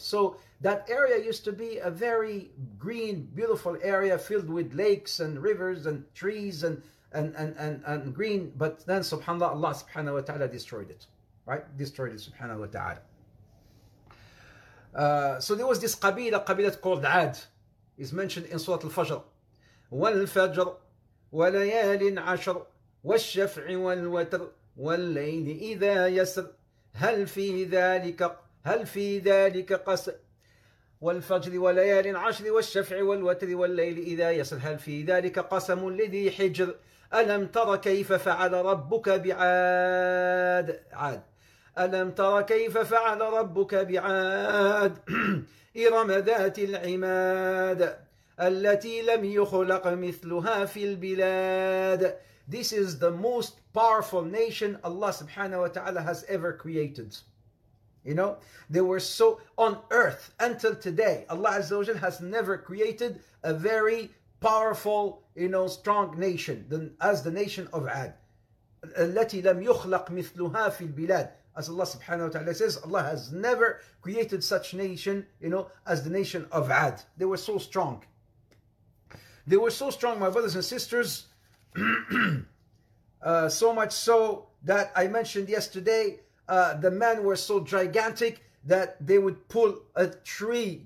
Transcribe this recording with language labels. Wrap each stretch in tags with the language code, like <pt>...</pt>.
<en>So that area used to be a very green, beautiful area filled with lakes and rivers and trees and green. But then subhanAllah, Allah subhanahu wa ta'ala destroyed it. Right? Destroyed it, subhanahu wa ta'ala. So there was this qabila, qabilat called Ad, is mentioned in Surah Al-Fajr.</en> <ar>وَالْفَجْرِ وَلَيَالٍ عَشْرٍ وَالشَّفْعِ وَالْوَتْرِ وَاللَّيْلِ إِذَا يَسْرِ هَلْ فِي ذَلِكَ هَلْ فِي ذَلِكَ قَسَمٌ والفجر وليال عشر والشفع والوتر والليل إذا يسر هل في ذلك قسم لذي حجر ألم تر كيف فعل ربك بعاد عاد ألم تر كيف فعل ربك بعاد إرم ذات العماد التي لم يخلق مثلها في البلاد.</ar> <en>This is the most powerful nation Allah subhanahu wa ta'ala has ever created. You know, they were so on earth until today. Allah Azza wa Jalla has never created a very powerful, you know, strong nation than as the nation of Ad.</en> <ar>التي لم يخلق مثلها في البلاد.</ar> <en>As Allah subhanahu wa ta'ala says, Allah has never created such nation, you know, as the nation of Ad. They were so strong. They were so strong, my brothers and sisters, so much so that I mentioned yesterday. The men were so gigantic that they would pull a tree.</en>